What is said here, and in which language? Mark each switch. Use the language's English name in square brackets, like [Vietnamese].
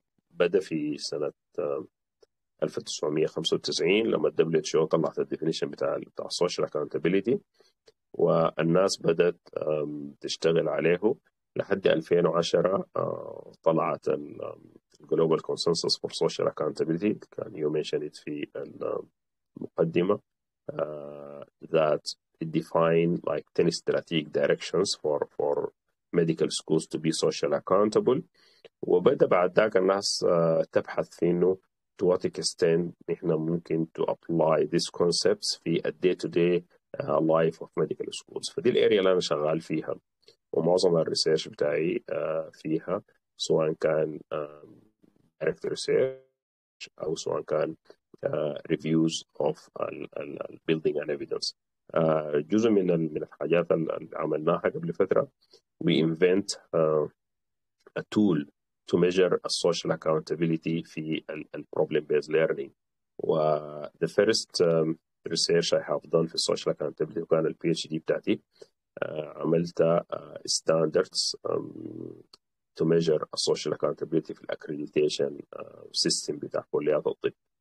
[Arabic] بدأ في سنة 1995 لما الـ WHO طلعت الـ definition بتاع social accountability، والناس بدأت تشتغل عليه لحد 2010 طلعت الـ [English] global consensus for social accountability. كان you mentioned it [Arabic] في المقدمة [English] that it defined like 10 strategic directions for medical schools to be social accountable. [Arabic] وبدأ بعد ذاك الناس تبحث في إنه [English] to what extent [Arabic] نحن ممكن [English] to apply these concepts في the day-to-day life of medical schools. [Arabic] فدي الأريا اللي أنا شغال فيها. ومعظم الريسيرش بتاعي فيها، سواء كان دايركت ريسيرش أو سواء كان [English] Reviews of البيلدينج and evidence. [Arabic] جزء من الحاجات اللي عملناها قبل فترة، [English] we invent a tool to measure a social accountability في ال problem-based learning. و the first research I have done في social accountability كان ال PhD بتاعتي، عملت standards to measure a social accountability في accreditation system [Arabic] بتاع كليات الطب.